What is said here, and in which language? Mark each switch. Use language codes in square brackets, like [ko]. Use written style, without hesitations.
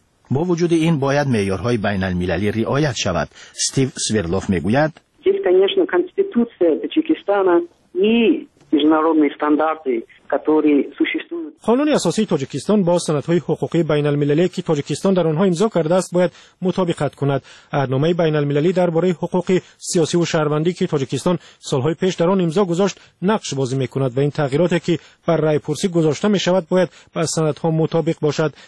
[fa] با وجود این باید معیارهای بین المللی رعایت شود. استیو سویردلوف میگوید کنستیتوسیای تاجیکستان [ru] международные стандарты, которые существуют. [tg] Қонуни асосии Тоҷикистон бо санадҳои ҳуқуқии байналмилалие, ки Тоҷикистон дар онҳо имзо кардааст, бояд мутобиқат кунад. Аҳдномаи байналмилалӣ дар бораи ҳуқуқи сиёсиву шаҳрвандӣ, ки Тоҷикистон солҳои пеш дар он имзо гузошт, нақш бозӣ мекунад ва ин тағйироте, ки ба рай пурсӣ гузошта мешавад, бояд ба санадҳо мутобиқ бошад.